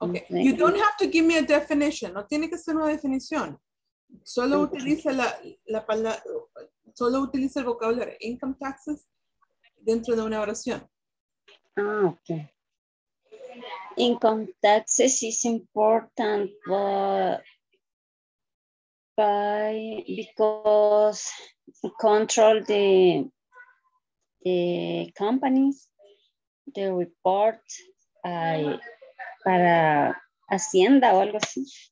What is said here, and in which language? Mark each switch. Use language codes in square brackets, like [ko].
[en] You don't have to give me a definition. [es] No tiene que ser una definición. Solo utiliza la palabra, solo utiliza el vocabulario income taxes dentro de una oración. Ah, okay. [en] Income taxes is important because control the companies. The report [es] para Hacienda o algo así.